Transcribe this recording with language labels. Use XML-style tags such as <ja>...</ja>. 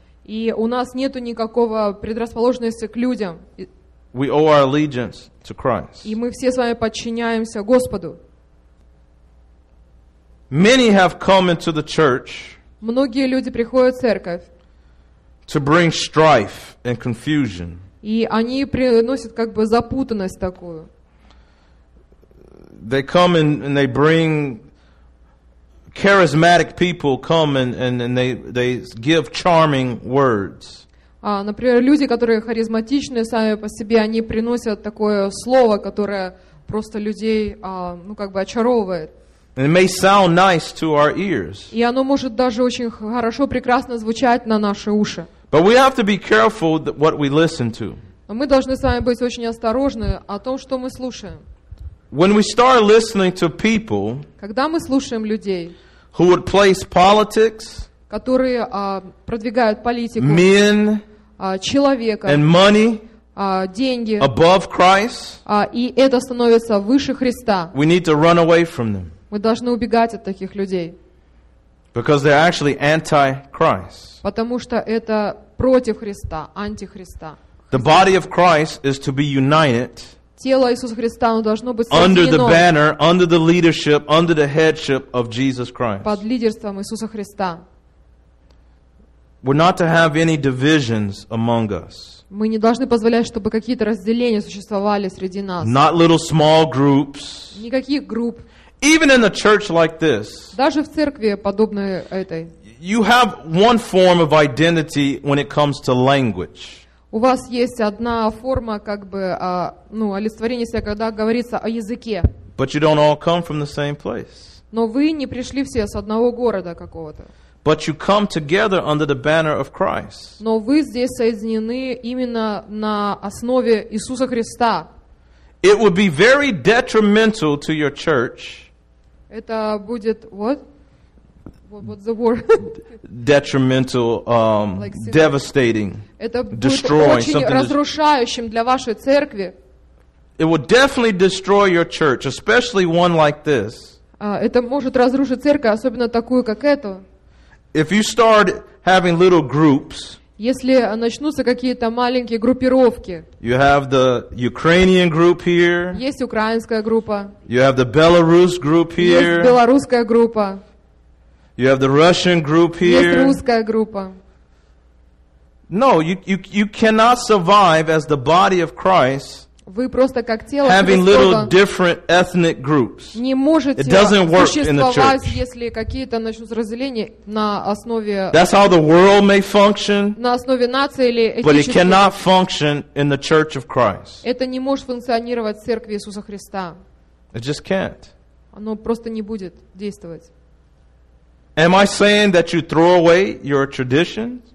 <ru>И у нас нету никакого предрасположенности к людям.</ru> <en>We owe our allegiance to Christ.</en> <ru>И мы все с вами подчиняемся Господу.</ru> <en>Many have come into the church.</en> <ru>Многие люди приходят в церковь.</ru> <en>To bring strife and confusion.</en> <ru>И они приносят как бы запутанность такую.</ru> <en>They come and they bring charismatic people come and they give charming words.</en> <ru>Например, люди, которые харизматичные сами по себе, они приносят такое слово, которое просто людей ну как бы очаровывает.</ru> <en>And it may sound nice to our ears.</en> <ru>И оно может даже очень хорошо, прекрасно звучать на наши уши.</ru> <en>But we have to be careful what we listen to.</en> <ru>Мы должны с вами быть очень осторожны о том, что мы слушаем.</ru> <en>When we start listening to people,</en> <ru>когда мы слушаем людей,</ru> <en>who would place politics,</en> <ru>которые продвигают политику,</ru> <en>men,</en> <ru>человека,</ru> <en>and money,</en> <ru>деньги,</ru> <en>above Christ,</en> <ru>и это становится выше Христа.</ru> <en>We need to run away from them.</en> <ru>Мы должны убегать от таких людей.</ru> <en>Because they're actually anti-Christ.</en> <ru>Потому что это против Христа, антихриста.</ru> <en>The body of Christ is to be united.</en> <ru>Тело Иисуса Христа должно быть соединено.</ru> <en>Under the banner, under the leadership, under the headship of Jesus Christ.</en> <ru>Под лидерством Иисуса Христа.</ru> <en>We're not to have any divisions among us.</en> <ru>Мы не должны позволять, чтобы какие-то разделения существовали среди нас.</ru> <en>Not little small groups.</en> <ru>Никаких групп.</ru> <en>Even in a church like this.</en> <ru>Даже в церкви подобной этой.</ru> <en>You have one form of identity when it comes to language.</en> <ru>У вас есть одна форма, как бы, ну, олицетворение себя, когда говорится о языке.</ru> <en>But you don't all come from the same place.</en> <ru>Но вы не пришли все с одного города какого-то.</ru> <en>But you come together under the banner of Christ.</en> <ru>Но вы здесь соединены именно на основе Иисуса Христа.</ru> <en>It would be very detrimental to your church.</en> <ru>Это будет</ru> <en>what? What's the word? Detrimental, like, devastating,</en> <ru>это</ru> <en>destroying,</en> <ru>будет очень разрушающим для вашей церкви.</ru> <en>It would definitely destroy your church, especially one like this.</en> <ru>Это может разрушить церковь, особенно такую, как эту.</ru> <en>If you start having little groups,</en> <ru>если начнутся какие-то маленькие группировки,</ru> <en>you have the Ukrainian group here,</en> <ru>есть украинская группа,</ru> <en>you have the Belarus group here,</en> <ru>есть белорусская группа,</ru> <en>you have the Russian group here,</en> <ru>есть русская группа.</ru> <en>No, you cannot survive as the body of Christ.</en> <ru>Вы просто как тело</ru> <en>having little different ethnic groups.</en> <ru>Не можете</ru> <en>it doesn't work in the church.</en> <ru>Если какие-то начнутся разделения на основе.</ru> <en>That's how the world may function.</en> <ru>На основе нации или этнических.</ru> <en>But it cannot function in the church of Christ.</en> <ru>Это не может функционировать в церкви Иисуса Христа.</ru> <en>It just can't.</en> <ru>Оно просто не будет действовать.</ru> <en>Am I saying that you throw away your traditions?</en>